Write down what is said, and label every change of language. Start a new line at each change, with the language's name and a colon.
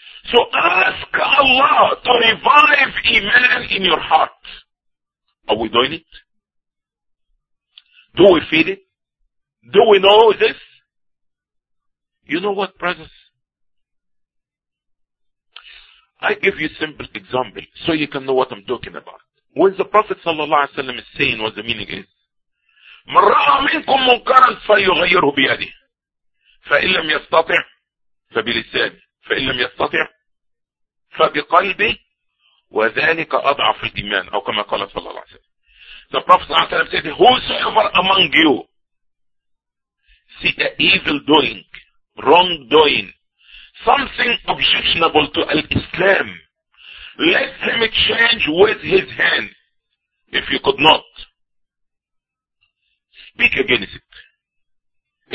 English: So ask Allah to revive iman in your heart. Are we doing it? Do we feel it? Do we know this? You know what, brothers? I give you a simple example so you can know what I'm talking about. When the Prophet sallallahu alaihi wasallam is saying what the meaning is,
Arabic: من رأى منكم منكرا فيغيره بيده فإن لم يستطع فبلسانه فإن لم يستطع فبقلبه وذلك أضعف الإيمان أو كما قال صلى الله عليه وسلم.
English: The Prophet صلى الله عليه وسلم said, whosoever among you see the evil doing, wrong doing, something objectionable to Islam, let him change with his hand. If you could not, speak against it.